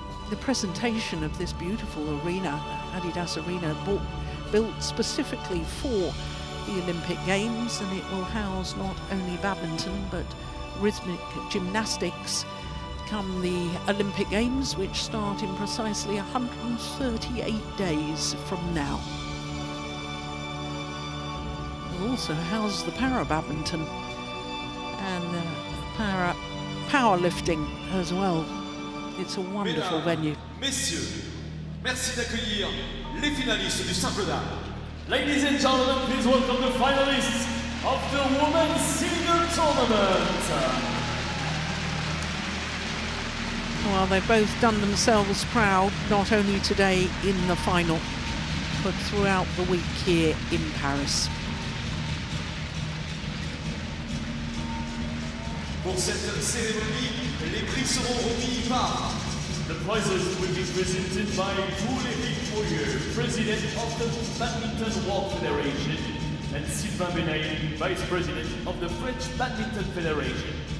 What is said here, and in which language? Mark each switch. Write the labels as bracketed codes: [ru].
[en] The presentation of this beautiful arena, Adidas Arena, built specifically for the Olympic Games, and it will house not only badminton but rhythmic gymnastics come the Olympic Games, which start in precisely 138 days from now. It will also house the para badminton and the para powerlifting as well. It's a wonderful venue. [fr] Messieurs, merci d'accueillir les finalistes du simple dame. [en] Ladies and gentlemen, please welcome the finalists of the Women's Senior Tournament. Well, they've both done themselves proud, not only today in the final, but throughout the week here in Paris. [fr] Pour cette cérémonie, les prix seront remis par... [en] The prizes will be presented by Vous-Lévis Foyer, President of the Badminton World Federation, and Sylvain Benay, Vice President of the French Badminton Federation.